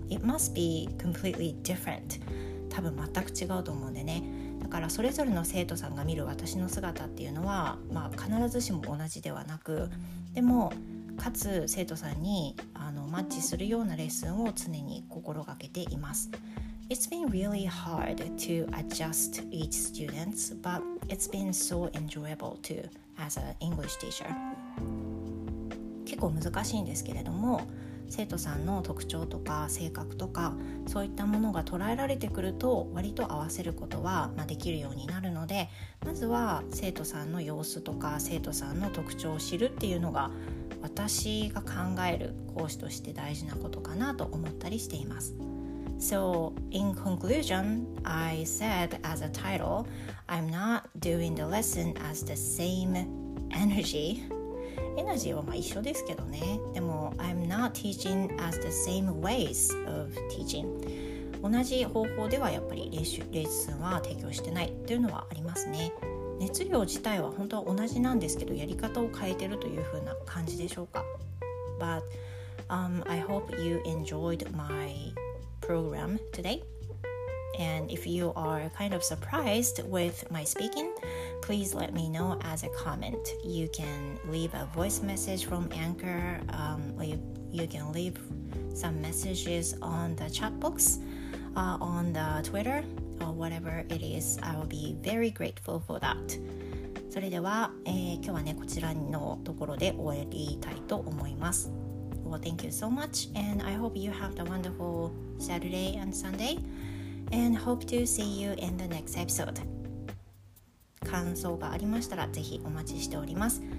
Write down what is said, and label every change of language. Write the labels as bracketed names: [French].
[English] It must be completely different. [Japanese] 多分全く違うと思うんでね。だからそれぞれの生徒さんが見る私の姿っていうのは、必ずしも同じではなく、でもかつ生徒さんにマッチするようなレッスンを常に心がけています。 [English] It's been really hard to adjust each student, but it's been so enjoyable too as an English teacher. [Japanese] 結構難しいんですけれども、生徒さんの特徴とか性格とか、そういったものが捉えられてくると、割と合わせることはできるようになるので、まずは生徒さんの様子とか生徒さんの特徴を知るっていうのが、私が考える講師として大事なことかなと思ったりしています。 [English] So, in conclusion, I said as a title, I'm not doing the lesson as the same energy. [Japanese] Energy は一緒ですけどね。 [English] でも、I'm not teaching as the same ways of teaching. [Japanese] 同じ方法ではやっぱりレッスンは提供してないというのはありますね。熱量自体は本当は同じなんですけど、やり方を変えてるというふうな感じでしょうか。 [English] But, I hope you enjoyed my... program today. And if you are kind of surprised with my speaking, please let me know as a comment. You can leave a voice message from Anchor, you can leave some messages on the chat box, on the Twitter, or whatever it is. I will be very grateful for that. [Japanese] それでは、今日はね、こちらのところで終わりたいと思います。 [English] Well, thank you so much, and I hope you have a wonderful Saturday and Sunday, and hope to see you in the next episode. [Japanese] 感想がありましたらぜひお待ちしております。